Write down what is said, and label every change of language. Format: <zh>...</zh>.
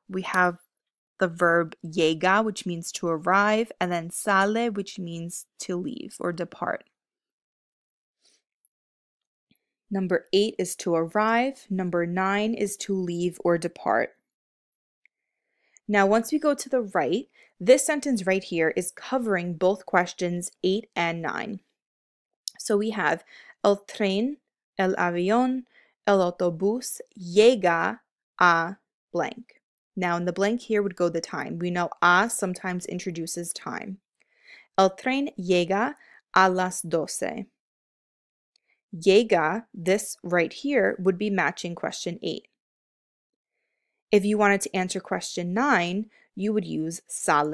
<en>We have the verb llega, which means to arrive, and then sale, which means to leave or depart. Number eight is to arrive. Number nine is to leave or depart. Now, once we go to the right, this sentence right here is covering both questions 8 and 9. So we have</en> <es>el tren, el avión, el autobús llega a blank.</es> <en>Now in the blank here would go the time. We know a sometimes introduces time.</en> <es>El tren llega a las 12.</es> <en>Llega, this right here, would be matching question 8. If you wanted to answer question 9, you would use sale.</en>